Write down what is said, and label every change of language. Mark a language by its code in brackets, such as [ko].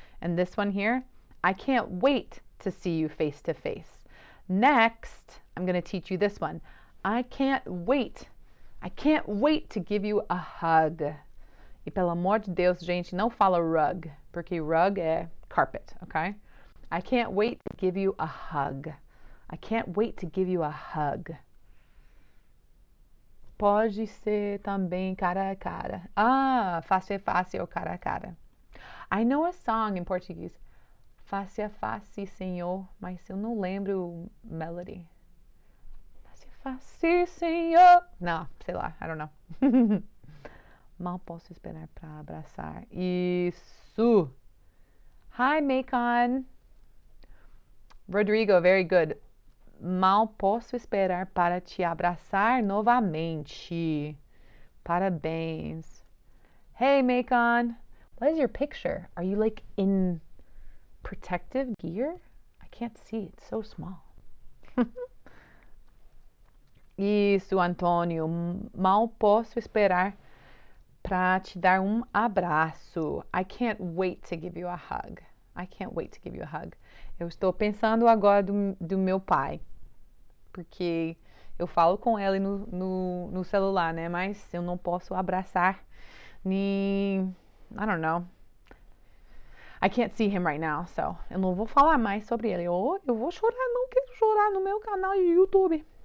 [en] And this one here, I can't wait to see you face to face. Next, I'm going to teach you this one. I can't wait. I can't wait to give you a hug. [pt] E pelo amor de Deus, gente, não fala rug, porque rug é carpet, okay? [en] I can't wait to give you a hug. I can't wait to give you a hug. [pt] Pode ser também cara a cara. Ah, face a face ou cara a cara. [en] I know a song in Portuguese. [pt] Face a face, senhor, mas eu não lembro melody. Face a face, senhor. Não, sei lá, [en] I don't know. [pt] Mal posso esperar para abraçar. Isso. [en] Hi, Macon. Rodrigo, very good. [pt] Mal posso esperar para te abraçar novamente. [en] Parabéns. Hey, Macon. What is your picture? Are you like in protective gear? I can't see. It's so small. [pt] Isso, Antônio. Mal posso esperar para te dar um abraço. [en] I can't wait to give you a hug. I can't wait to give you a hug. [pt] Eu estou pensando agora do meu pai. Porque eu falo com ele no celular, né? Mas eu não posso abraçar nem. [en] I don't know. I can't see him right now, so. [pt] Eu não vou falar mais sobre ele. Ou eu vou chorar, não quero chorar no meu canal YouTube.